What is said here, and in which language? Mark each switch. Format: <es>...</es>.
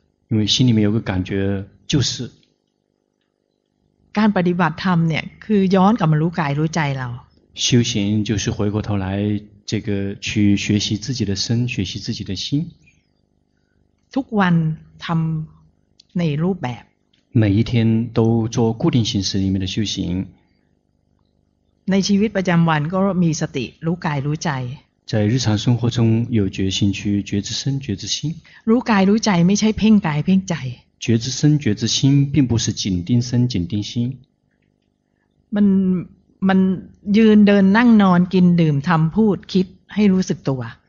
<zh>因为心里面有个感觉就是</zh> <th>การปฏิบัติธรรมเนี่ยคือย้อนกลับมารู้กายรู้ใจเรา</th> <zh>修行就是回过头来这个去学习自己的身学习自己的心</zh> <th>ทุกวันทำในรูปแบบ</th> <zh>每一天都做固定形式里面的修行</zh> <th>ในชีวิตประจำวันก็มีสติรู้กายรู้ใจ</th> <zh>在日常生活中有决心去觉知身觉知心</zh> <th>รู้กายรู้ใจไม่ใช่เพ่งกายเพ่งใจ</th> <zh>觉知身觉知心并不是紧盯身紧盯心</zh> <th>มันยืนเดินนั่งนอนกินดื่มทำพูดคิดให้รู้สึกตัว</th>